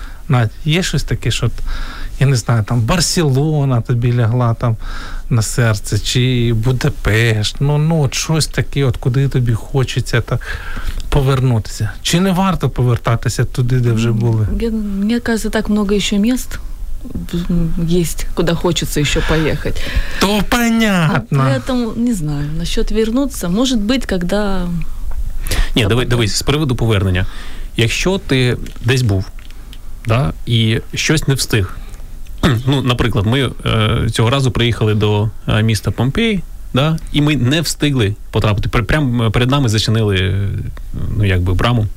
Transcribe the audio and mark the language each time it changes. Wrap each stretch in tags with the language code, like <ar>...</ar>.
<uk>Надь, є щось таке, що, я не знаю, там Барселона тобі лягла там на серце, чи Будапешт, ну от щось таке, от куди тобі хочеться так повернутися? Чи не варто повертатися туди, де вже були? Мені кажется, так багато ще міст.</uk> <ru>Есть, куда хочется еще поехать. То понятно. Поэтому, не знаю, насчет вернуться, может быть, когда...</ru> <uk>Ні, дивись, з приводу повернення. Якщо ти десь був, да, і щось не встиг, ну, наприклад, ми цього разу приїхали до міста Помпеї, да, і ми не встигли потрапити. Прямо перед нами зачинили, ну, якби, браму.</uk>